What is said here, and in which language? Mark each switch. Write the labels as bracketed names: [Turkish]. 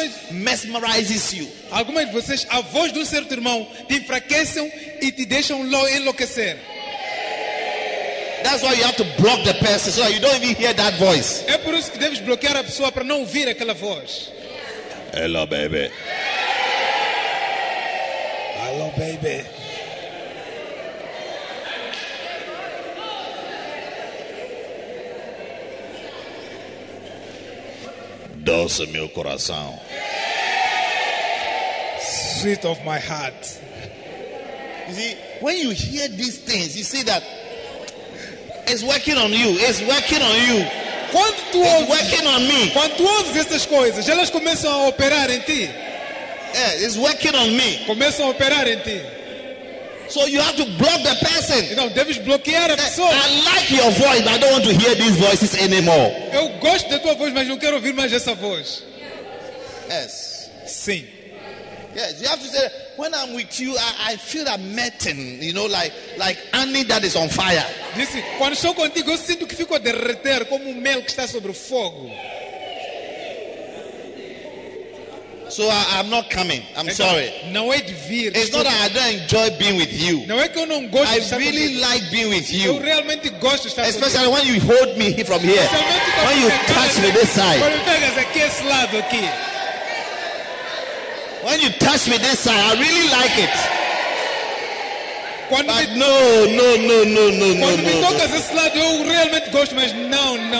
[English] Mesmerizes you. [Portuguese] Algumas de vocês, a voz de um certo irmão te enfraquecem e te deixam enlouquecer. [English] That's why you have to block the person so that you don't even hear that voice. [Portuguese] É por isso que deves bloquear a pessoa para não ouvir aquela voz. [English] Hello, baby. Hello, baby. [Portuguese] Doce meu coração. [English] Sweet of my heart. You see, when you hear these things, you see that it's working on you. It's working on you. [Portuguese] Quando tu [English] it's [Portuguese] ouves, [English] working on me. [Portuguese] Quando tu ouves essas coisas, elas começam a operar em ti. [English] Yeah, it's working on me. [Portuguese] Começam a operar em ti. [English] So you have to block the person. [Portuguese] Então, deves bloquear a pessoa. [English] I like your voice, but I don't want to hear these voices anymore. [Portuguese] Eu gosto da tua voz, mas não quero ouvir mais essa voz. [English] Yes. [Portuguese] Sim. [English] Yes. You have to say, when I'm with you, I feel a melting, you know, like honey that is on fire. [Portuguese] Disse, quando estou contigo, eu sinto que fico a derreter como mel que está sobre o fogo. [English] So I'm not coming. I'm sorry. [Portuguese] Não é de vir. [English] It's not that I don't enjoy being with you. [Portuguese] Não é que eu não gosto de estar. [English] I really like being with you. [Portuguese] Eu realmente gosto de estar. [English] Especially when you hold me from here. When you touch me this side. [Portuguese] Quando me pegas aqui esse lado aqui. [English] When you touch me this side, I really like it. [Portuguese] Quando [English] but no. [Portuguese] Quando me tocas esse lado, eu realmente gosto, mas não.